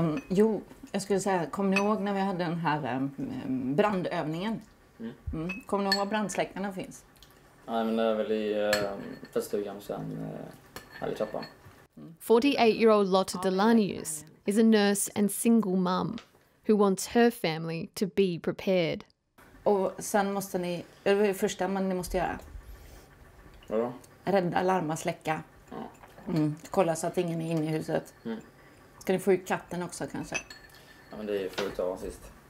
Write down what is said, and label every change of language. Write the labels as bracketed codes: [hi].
[sv] Jo, jag skulle säga, kom ni ihåg när vi hade den här brandövningen? Mm. Kommer du ihåg var brandsläckarna finns? Nej, men det är väl i festugan sen, här i trappan. [en] 48-year-old Lotta Delanius is a nurse and single mum who wants her family to be prepared. [sv] Och sen måste ni, det var det första man ni måste göra. Vadå? Rädda, larma, släcka. Kolla så att ingen är inne i huset. Ska ni få ut katten också kanske? Ja, men det är förut av sist.